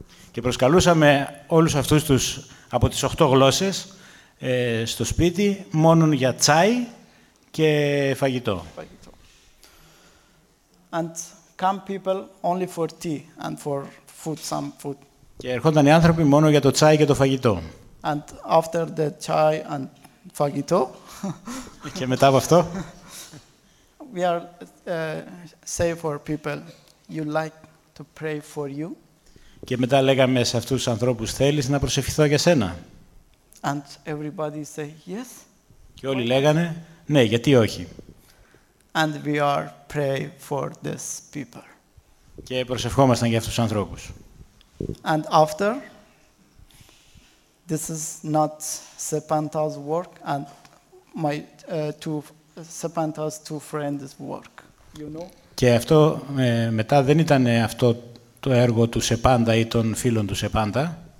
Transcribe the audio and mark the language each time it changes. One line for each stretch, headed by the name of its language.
Greek: Και προσκαλούσαμε όλους αυτούς τους από τις 8 γλώσσες στο σπίτι μόνο για τσάι και φαγητό.
English: And come people only for tea and for food, some food.
Greek: Και ερχόταν οι άνθρωποι μόνο για το τσάι και το φαγητό.
English: And after the chai and
Greek: φαγητό. Και μετά από αυτό.
English: We are say for people you like to pray for you.
Greek: Και μετά λέγαμε σε αυτούς τους ανθρώπους, θέλεις να προσευχηθώ για σένα?
English: And everybody say, yes.
Greek: Και όλοι λέγανε, ναι, γιατί όχι.
English: And we are pray for these people.
Greek: Και προσευχόμασταν για αυτούς τους ανθρώπους.
English: And after, this is not Sepanta's work and my Sepanta's two friends' work, you know?
Greek: Και αυτό μετά δεν ήταν αυτό το έργο του Σεπάντα ή των φίλων του Σεπάντα.